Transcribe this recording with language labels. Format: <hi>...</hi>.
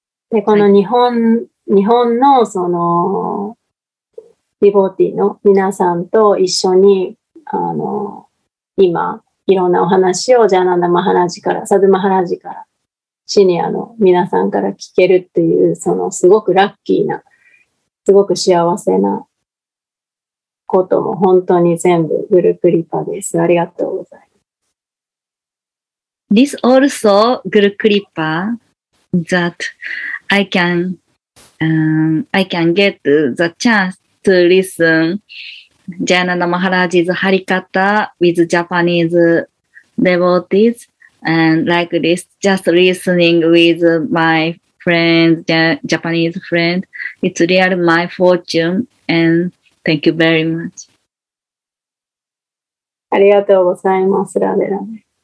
<ja>で、この日本のそのディボティの皆さんと一緒に今いろんなお話をジャナンダマハラジから、サドゥマハラジから、シニアの皆さんから聞けるっていう、そのすごくラッキーな、すごく幸せなことも本当に全部グルクリパです。ありがとうございます。</ja> <en>This also グルクリパ that I can get the chance to listenJayananda Maharaj's Harikata with Japanese devotees and like this, just listening with my friends, Japanese friend. It's really my fortune and thank you very much.</en> <ja>ありがとうございます、ラデラデ。</ja>